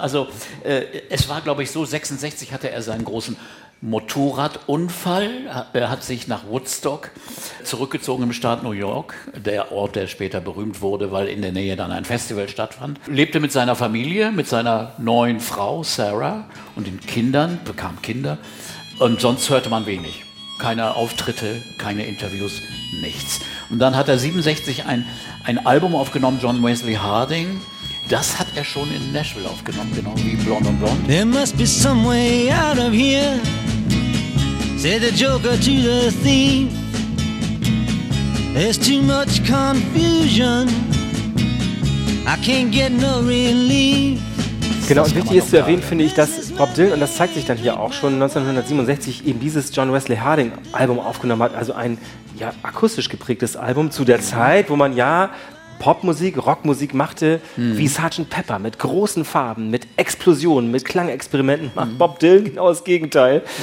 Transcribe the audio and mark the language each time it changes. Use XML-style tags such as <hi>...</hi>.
<de>Also es war, glaube ich, so, 66 hatte er seinen großen Motorradunfall, er hat sich nach Woodstock zurückgezogen im Staat New York, der Ort, der später berühmt wurde, weil in der Nähe dann ein Festival stattfand, lebte mit seiner Familie, mit seiner neuen Frau Sarah und den Kindern, bekam Kinder und sonst hörte man wenig. Keine Auftritte, keine Interviews, nichts. Und dann hat er 67 ein Album aufgenommen, John Wesley Harding. Das hat er schon in Nashville aufgenommen, genau wie Blonde on Blonde.</de> <en>There must be some way out of here, said the Joker to the thief. There's too much confusion, I can't get no relief.</en> <de>Genau, das und wichtig ist zu erwähnen, finde ich, dass Bob Dylan, und das zeigt sich dann hier auch schon, 1967 eben dieses John Wesley Harding Album aufgenommen hat, also ein ja, akustisch geprägtes Album zu der Zeit, wo man ja Popmusik, Rockmusik machte, wie Sgt. Pepper, mit großen Farben, mit Explosionen, mit Klangexperimenten macht Bob Dylan genau das Gegenteil.</de>